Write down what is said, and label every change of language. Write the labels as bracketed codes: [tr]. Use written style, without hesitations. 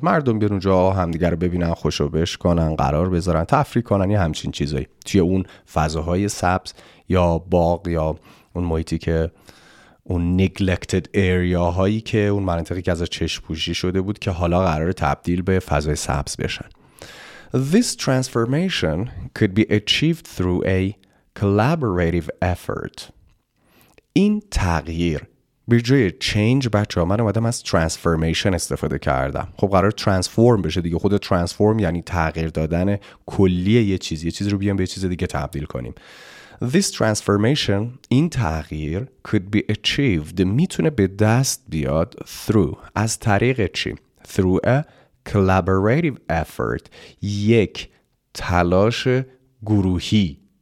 [fa] مردم بیان اونجا همدیگر رو ببینن، خوشو بش کنن، قرار بذارن، تفریح کنن یا همچین چیزایی توی اون فضاهای سبز یا باغ یا اون محیطی که اون [en] neglected area [fa] هایی که اون مناطقی که از چشم پوشی شده بود که حالا قراره تبدیل به فضای سبز بشن. [en] This transformation could be achieved through a collaborative effort. [fa] این تغییر به جای change، بچه ها من اومدم از transformation استفاده کردم. خب قرار transform بشه دیگه، خود transform یعنی تغییر دادن کلیه یه چیزی، یه چیزی رو بیان به یه چیز دیگه تبدیل کنیم. [en] This transformation، [fa] این تغییر، [en] could be achieved، [fa] میتونه به دست بیاد through، از طریق چی؟ [en] through a collaborative effort، [fa] یک تلاش گروهی.